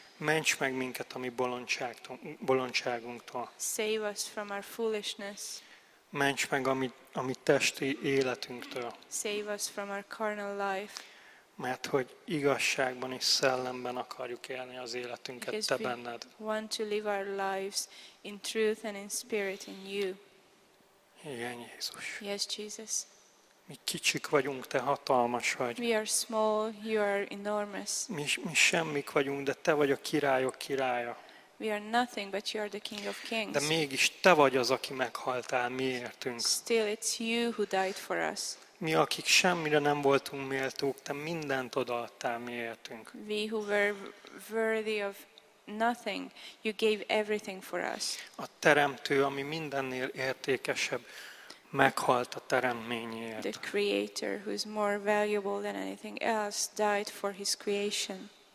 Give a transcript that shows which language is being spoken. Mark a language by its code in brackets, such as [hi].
[hu] Ments meg minket a mi bolondságunktól. [en] Save us from our foolishness. [hu] Ments meg a mi testi életünktől. [en] Save us from our carnal life. [hu] Mert hogy igazságban és szellemben akarjuk élni az életünket [en] because [hu] te benned. [en] We want to live our lives in truth and in spirit in you. [hu] Igen, Jézus. [en] Yes, Jesus. [hu] Mi kicsik vagyunk, te hatalmas vagy. [en] We are small, you are enormous. [hu] Mi semmik vagyunk, de te vagy a királyok királya. [en] We are nothing, but you are the King of Kings. [hu] De mégis te vagy az, aki meghaltál miértünk. [en] Still, it's you who died for us. [hu] Mi, akik semmire nem voltunk méltók, te mindent odaadtál miértünk. [en] We who were worthy of nothing, you gave everything for us. [hu] A teremtő, ami mindennél értékesebb, meghalt a teremményért. [en] The Creator, who is more valuable than anything else, died for his creation.